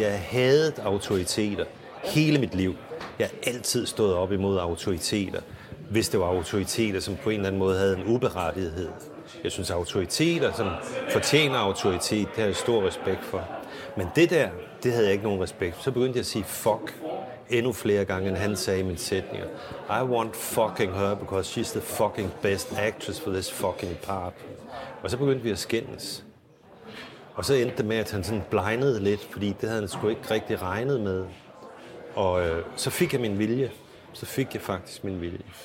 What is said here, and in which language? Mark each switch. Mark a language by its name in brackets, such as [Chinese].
[Danish] Jeg havde autoriteter hele mit liv. Jeg har altid stået op imod autoriteter, hvis det var autoriteter, som på en eller anden måde havde en uberettighed. Jeg synes, autoriteter, som fortjener autoritet, det har jeg stor respekt for. Men det der, det havde jeg ikke nogen respekt for. Så begyndte jeg at sige fuck endnu flere gange, end han sagde i mine sætninger. [English] I want fucking her, because she's the fucking best actress for this fucking part. [Danish] Og så begyndte vi at skændes. Og så endte det med, at han sådan blindede lidt, fordi det havde han sgu ikke rigtig regnet med. Og så fik jeg min vilje. Så fik jeg faktisk min vilje.